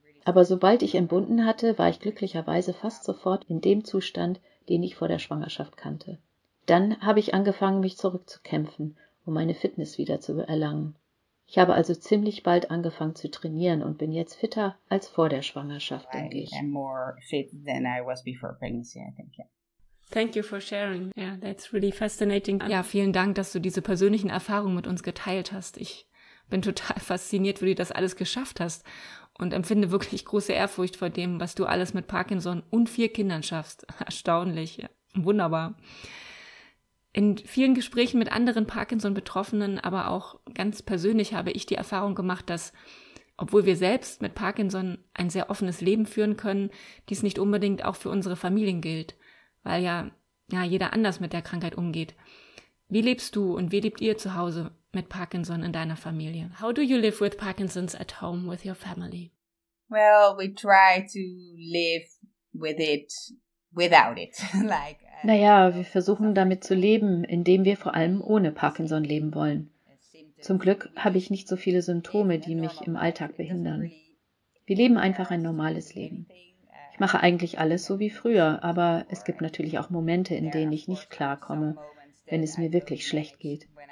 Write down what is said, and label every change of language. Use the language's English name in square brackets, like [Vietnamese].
[German] Aber sobald ich entbunden hatte, war ich glücklicherweise fast sofort in dem Zustand, den ich vor der Schwangerschaft kannte. Dann habe ich angefangen, mich zurückzukämpfen, um meine Fitness wieder zu erlangen. Ich habe also ziemlich bald angefangen zu trainieren und bin jetzt fitter als vor der Schwangerschaft, denke ich. [English] I'm more fit than I was before pregnancy, I think, yeah. Thank you for sharing. Yeah, that's really fascinating. [German] Ja, vielen Dank, dass du diese persönlichen Erfahrungen mit uns geteilt hast. Ich bin total fasziniert, wie du das alles geschafft hast und empfinde wirklich große Ehrfurcht vor dem, was du alles mit Parkinson und 4 Kindern schaffst. Erstaunlich. Ja. Wunderbar. In vielen Gesprächen mit anderen Parkinson-Betroffenen, aber auch ganz persönlich habe ich die Erfahrung gemacht, dass, obwohl wir selbst mit Parkinson ein sehr offenes Leben führen können, dies nicht unbedingt auch für unsere Familien gilt, weil ja jeder anders mit der Krankheit umgeht. Wie lebst du und wie lebt ihr zu Hause mit Parkinson in deiner Familie? [English] How do you live with Parkinson's at home with your family? Well, we try to live with it without it. [German] Naja, wir versuchen damit zu leben, indem wir vor allem ohne Parkinson leben wollen. Zum Glück habe ich nicht so viele Symptome, die mich im Alltag behindern. Wir leben einfach ein normales Leben. Ich mache eigentlich alles so wie früher, aber es gibt natürlich auch Momente, in denen ich nicht klarkomme, wenn es mir wirklich schlecht geht.